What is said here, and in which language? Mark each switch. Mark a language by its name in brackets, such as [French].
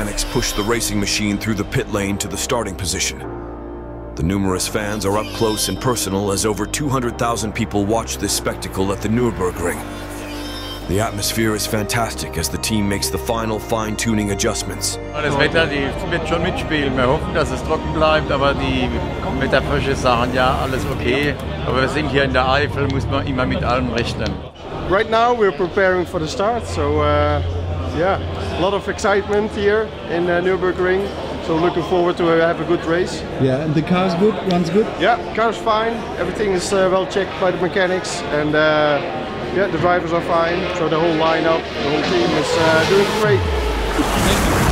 [English] Push the racing machine through the pit lane to the starting position. The numerous fans are up close and personal as over 200,000 people watch this spectacle at the Nürburgring. The atmosphere is fantastic as the team makes the final fine-tuning adjustments. [German] Das Wetter wird schon mitspielen. Wir hoffen, dass es trocken bleibt, aber die Wetterfrösche sagen ja alles okay. Aber wir sind hier in der Eifel, muss man immer mit allem rechnen. [English] Right now we're preparing for the start, so yeah. A lot of excitement here in Nürburgring, so looking forward to have a good race. Yeah, and the car's good, runs good? Yeah, car's fine, everything is well checked by the mechanics, and yeah, the drivers are fine, so the whole lineup, the whole team is doing great.